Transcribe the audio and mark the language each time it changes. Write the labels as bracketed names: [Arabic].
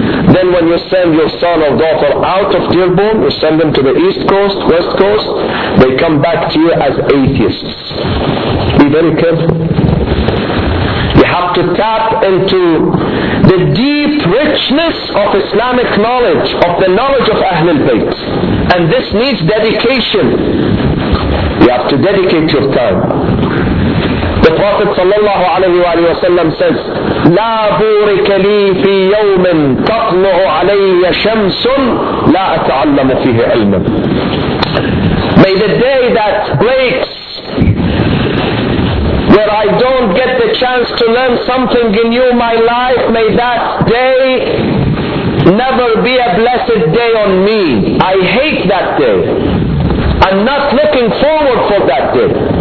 [English] Then when you send your son or daughter out of Dearborn, you send them to the East Coast, West Coast, they come back to you as atheists. Be very careful. You have to tap into the deep richness of Islamic knowledge, of the knowledge of Ahlul Bayt. And this needs dedication. You have to dedicate your time. The Prophet sallallahu alaihi wa sallam says, [Arabic] لَا بُورِكَ لِي فِي يَوْمٍ تَطْلُعُ عَلَيَّ شَمْسٌ لَا أَتَعَلَّمُ فِيهِ عِلْمًا. [English] May the day that breaks, where I don't get the chance to learn something in you, my life, may that day never be a blessed day on me. I hate that day. I'm not looking forward for that day.